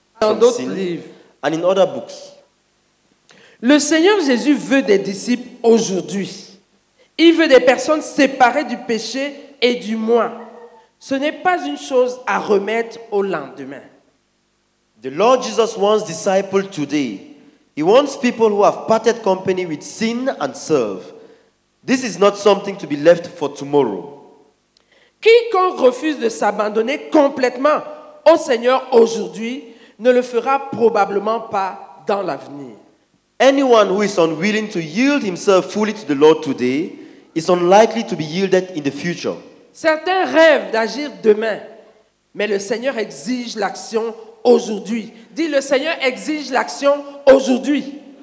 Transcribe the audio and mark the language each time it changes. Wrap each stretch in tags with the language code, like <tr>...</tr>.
<fr>Dans d'autres livres.</fr> <en>And in other books.</en> <fr>Le Seigneur Jésus veut des disciples aujourd'hui. Il veut des personnes séparées du péché et du moi. Ce n'est pas une chose à remettre au lendemain.</fr> <en>The Lord Jesus wants disciples today. He wants people who have parted company with sin and serve. This is not something to be left for tomorrow.</en> <fr>Quiconque refuse de s'abandonner complètement au Seigneur aujourd'hui ne le fera probablement pas dans l'avenir.</fr> <en>Anyone who is unwilling to yield himself fully to the Lord today is unlikely to be yielded in the future.</en> <fr>Certains rêvent d'agir demain, mais le Seigneur exige l'action aujourd'hui. Dis, le Seigneur exige l'action aujourd'hui.</fr>